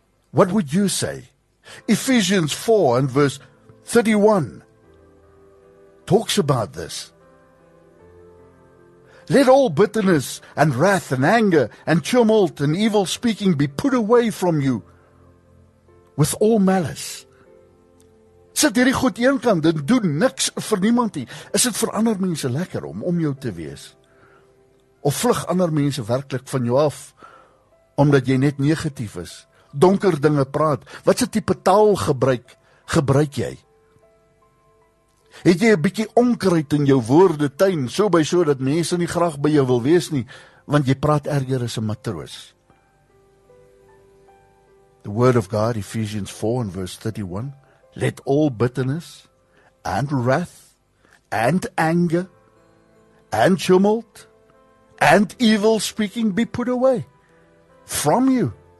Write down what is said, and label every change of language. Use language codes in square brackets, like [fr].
[en] What would you say? Ephesians 4 and verse 31 talks about this. Let all bitterness and wrath and anger and tumult and evil speaking be put away from you with all malice. [af] Sit hierdie goed eenkant en doen niks vir niemand nie. Is dit vir ander mense lekker om jou te wees? Of vlug ander mense werklik van jou af, omdat jy net negatief is, donker dinge praat? Wat se tipe taal gebruik jy? Het jy 'n bietjie onkruid in jou woorde tuin, so by so dat mense nie graag by jou wil wees nie, want jy praat erger as 'n matroos? [en] The word of God, Ephesians 4 and verse 31, let all bitterness and wrath and anger and tumult and evil speaking be put away from you.